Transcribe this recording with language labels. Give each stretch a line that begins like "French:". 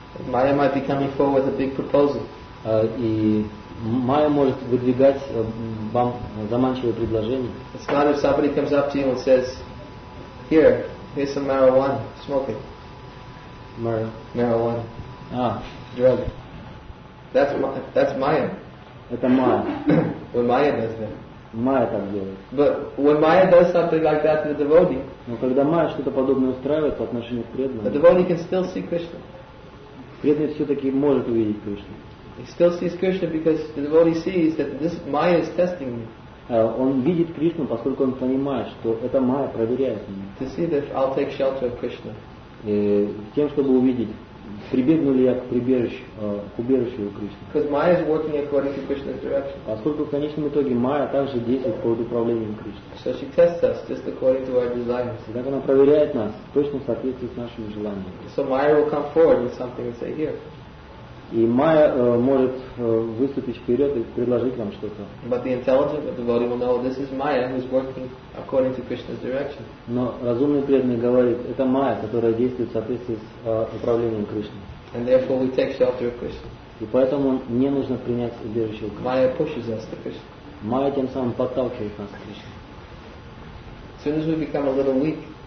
English: Maya might be coming forward with a big proposal.
Russian: И Майя может выдвигать вам заманчивое предложение.
English: It's not if somebody comes up to you and says, "Here, here's some marijuana, smoke it." Marijuana. Drug. That's Maya.
Russian: Это Майя.
English: When Maya does that.
Russian: Майя так делает.
English: But when Maya does something like that to the devotee.
Russian: Но когда Майя что-то подобное устраивает по отношению к преданному.
English: The devotee can still see Krishna.
Russian: Преданный все-таки может увидеть Кришну.
English: He still sees Krishna because the devotee sees that this Maya is testing me.
Russian: Он видит Кришну, поскольку он понимает, что это Майя проверяет меня.
English: To see that I'll take shelter of Krishna.
Russian: Тем, чтобы увидеть. Прибегну ли я к убежищу Кришны?
English: Because Maya is working according to Krishna's direction.
Russian: Поскольку в конечном итоге Maya также действует под управлением Кришны.
English: So she tests us just according to our desires.
Russian: И так она проверяет нас точно в соответствии с нашими желаниями.
English: So Maya will come forward with something and say, "Here."
Russian: И Майя может выступить вперед и предложить вам что-то.
English: But the intelligent devotee will know this is Maya who's working according to Krishna's direction.
Russian: Но разумный преданный говорит, это Майя, которая действует в соответствии с управлением Кришны.
English: And therefore we take shelter of Krishna.
Russian: И поэтому не нужно принять убежище у Кришны.
English: Maya pushes us to Krishna.
Russian: Майя тем самым подталкивает нас к Кришне.
English: As soon as we become a little weak,